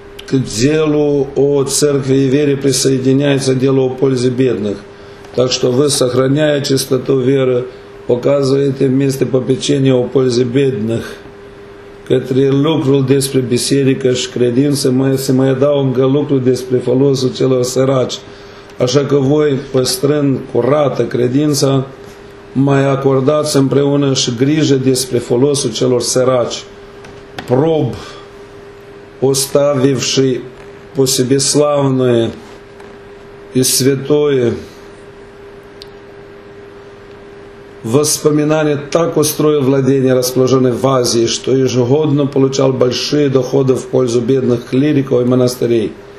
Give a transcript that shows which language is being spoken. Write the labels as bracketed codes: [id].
[ru] к делу о церкви и вере присоединяется дело о пользе бедных. Так что вы, сохраняя чистоту веры, показываете вместе попечения о пользе бедных. [ro] Către lucrul despre biserică și credință mai se mai adaugă lucrul despre folosul celor săraci. Așa că voi, păstrând curată credința, mai acordați împreună și grijă despre folosul celor săraci. [ru] Prob, оставивши по себе славное и святое воспоминание, так устроил владение, расположенное в Азии, что ежегодно получал большие доходы в пользу бедных клириков и монастырей.